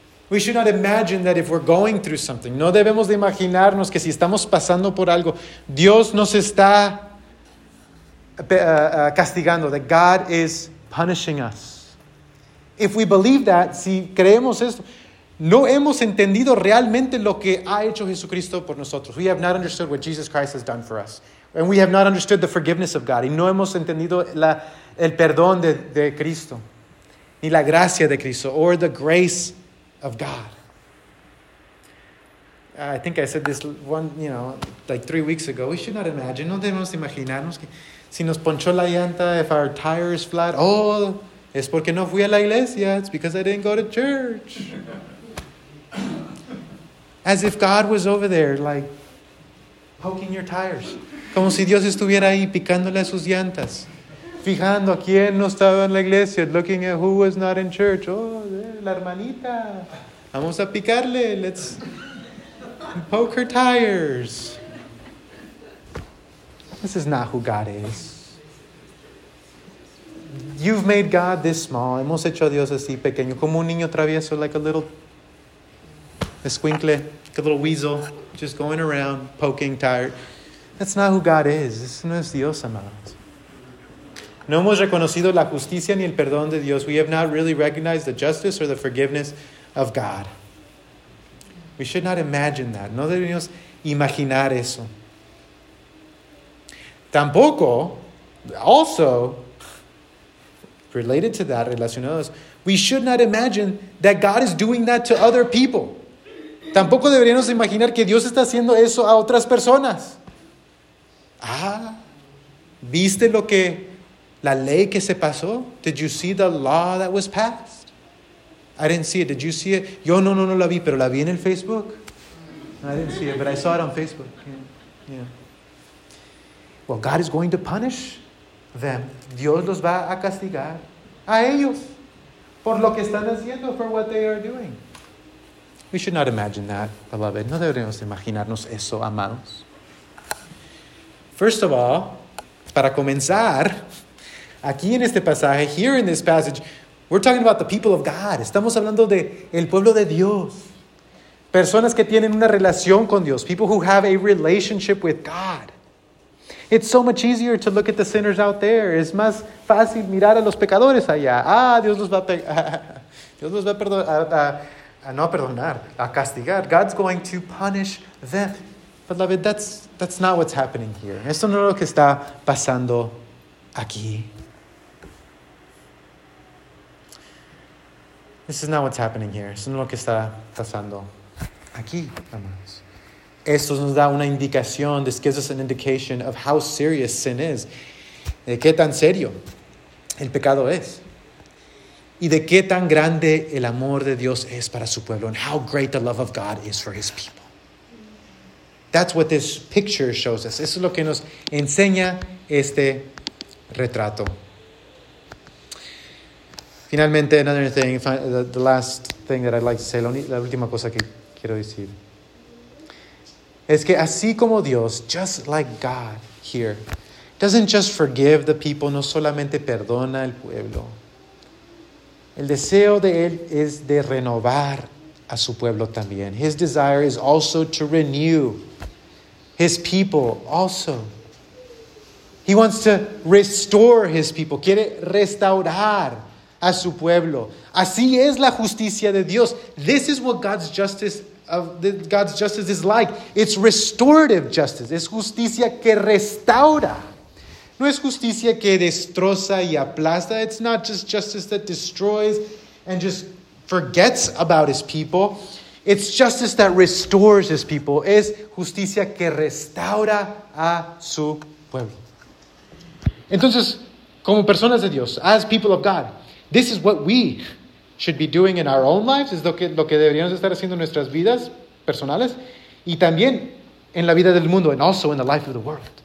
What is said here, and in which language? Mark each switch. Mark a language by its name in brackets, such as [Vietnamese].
[English] We should not imagine that if we're going through something, [Spanish] no debemos de imaginarnos que si estamos pasando por algo, Dios nos está castigando, [English] that God is punishing us. If we believe that, [Spanish] si creemos esto, no hemos entendido realmente lo que ha hecho Jesucristo por nosotros. [English] We have not understood what Jesus Christ has done for us. And we have not understood the forgiveness of God. [Spanish] Y no hemos entendido el perdón de Cristo, ni la gracia de Cristo, [English] or the grace of God. I think I said this one, you know, like 3 weeks ago. We should not imagine. [Spanish] No debemos imaginarnos que si nos ponchó la llanta, [English] if our tire is flat, [Spanish] oh, es porque no fui a la iglesia. [English] It's because I didn't go to church. As if God was over there, like, poking your tires. [Spanish] Como si Dios estuviera ahí picándole a sus llantas. Fijando a quién no estaba en la iglesia. [English] Looking at who was not in church. Oh, [Spanish] la hermanita. Vamos a picarle. [English] Let's poke her tires. This is not who God is. You've made God this small. [Spanish] Hemos hecho a Dios así pequeño. Como un niño travieso, [English] like a little [Spanish] escuincle, [English] like a little weasel, just going around, poking tired. That's not who God is. [Spanish] Eso no es Dios, amados. No hemos reconocido la justicia ni el perdón de Dios. [English] We have not really recognized the justice or the forgiveness of God. We should not imagine that. [Spanish] No debemos imaginar eso. [English] Tampoco, also, related to that, relacionados, we should not imagine that God is doing that to other people. [Spanish] Tampoco deberíamos imaginar que Dios está haciendo eso a otras personas. Ah, ¿viste lo que, la ley que se pasó? [English] Did you see the law that was passed? I didn't see it. Did you see it? [Spanish] Yo no la vi, pero la vi en el Facebook. [English] I didn't see it, but I saw it on Facebook. Yeah. Well, God is going to punish them. [Spanish] Dios los va a castigar a ellos por lo que están haciendo, [English] for what they are doing. We should not imagine that, beloved. [Spanish] No deberíamos imaginarnos eso, amados. [English] First of all, [Spanish] para comenzar, aquí en este pasaje, [English] here in this passage, we're talking about the people of God. [Spanish] Estamos hablando de el pueblo de Dios. Personas que tienen una relación con Dios. [English] People who have a relationship with God. It's so much easier to look at the sinners out there. [Spanish] Es más fácil mirar a los pecadores allá. Ah, Dios los va a Dios los va a perdonar. A no perdonar, a castigar. [English] God's going to punish them. Beloved, that's not what's happening here. [Spanish] Esto no es lo que está pasando aquí. [English] This is not what's happening here. [Spanish] Esto no es lo que está pasando aquí, amados. Esto nos da una indicación. [English] This gives us an indication of how serious sin is. [Spanish] De qué tan serio el pecado es. Y de qué tan grande el amor de Dios es para su pueblo. [English] And how great the love of God is for his people. That's what this picture shows us. [Spanish] Eso es lo que nos enseña este retrato. [English] Finalmente, another thing. The last thing that I'd like to say. [Spanish] La última cosa que quiero decir. Es que así como Dios, [English] just like God here, doesn't just forgive the people, [Spanish] no solamente perdona al pueblo. El deseo de él es de renovar a su pueblo también. [English] His desire is also to renew his people also. He wants to restore his people. [Spanish] Quiere restaurar a su pueblo. Así es la justicia de Dios. [English] This is what God's justice is like. It's restorative justice. [Spanish] Es justicia que restaura. No es justicia que destroza y aplasta. [English] It's not just justice that destroys and just forgets about his people. It's justice that restores his people. [Spanish] Es justicia que restaura a su pueblo. Entonces, como personas de Dios, [English] as people of God, this is what we should be doing in our own lives. [Spanish] Es lo que deberíamos estar haciendo en nuestras vidas personales. Y también en la vida del mundo, [English] and also in the life of the world.